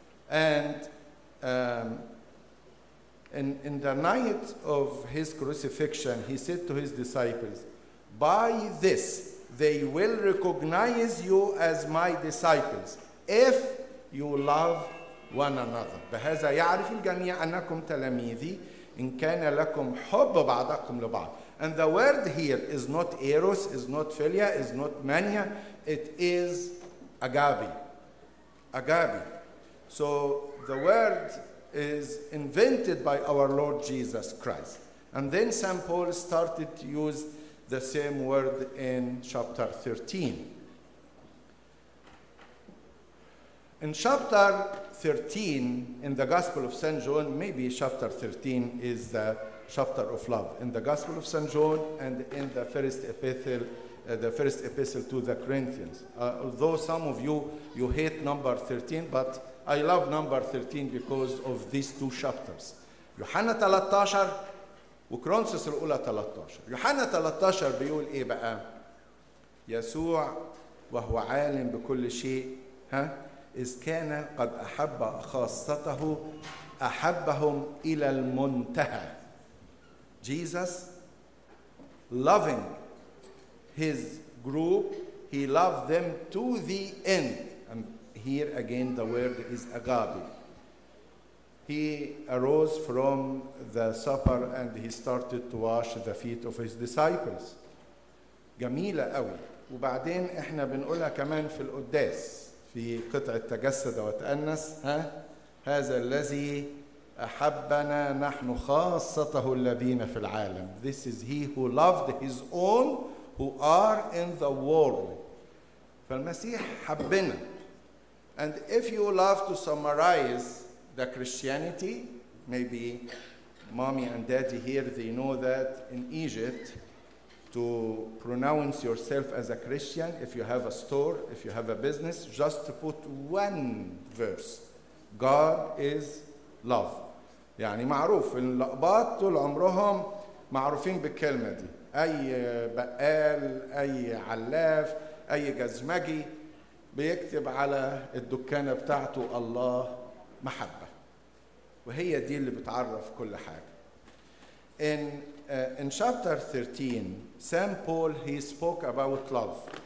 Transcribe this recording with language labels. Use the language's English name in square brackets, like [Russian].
[English] And in the night of his crucifixion, he said to his disciples, by this they will recognize you as my disciples, if you love one another. [Arabic] بهذا يعرف الجميع أنكم تلاميذي إن كان لكم حب بعضكم لبعض. [English] And the word here is not eros, is not philia, is not mania, it is agape. Agape. So the word is invented by our Lord Jesus Christ. And then St. Paul started to use the same word in chapter 13. In chapter 13, in the Gospel of St. John, maybe chapter 13 is the chapter of love. In the Gospel of St. John and in the first epistle, the first epistle to the Corinthians. Although some of you hate number 13, but I love number 13 because of these two chapters. [Arabic] يوحنا 13 وكرونسوس الأولى 13. يوحنا 13 بيقول إيه بقى؟ يسوع وهو عالم بكل شيء ها؟ إذ كان قد أحب خاصته أحبهم إلى المنتهى. [English] Jesus loving his group, he loved them to the end. And here again the word is agape. He arose from the supper and he started to wash the feet of his disciples. [Arabic] جميلة قوي. وبعدين احنا بنقولها كمان في القداس في قطعة تجسد وتأنس ها؟ هذا الذي أحبنا نحن خاصته الذين في العالم. [English] This is he who loved his own who are in the world. [Arabic] فالمسيح حبنا. [English] And if you love to summarize the Christianity, maybe mommy and daddy here, they know that in Egypt, to pronounce yourself as a Christian, if you have a store, if you have a business, just to put one verse. God is love. [Arabic] يعني معروف اللقباط طول عمرهم معروفين بالكلمة دي. أي بقال، أي علاف، أي جزمجي بيكتب على الدكانة بتاعته الله محبة. وهي دي اللي بتعرف كل حاجة. [English] In chapter 13, Saint Paul, he spoke about love.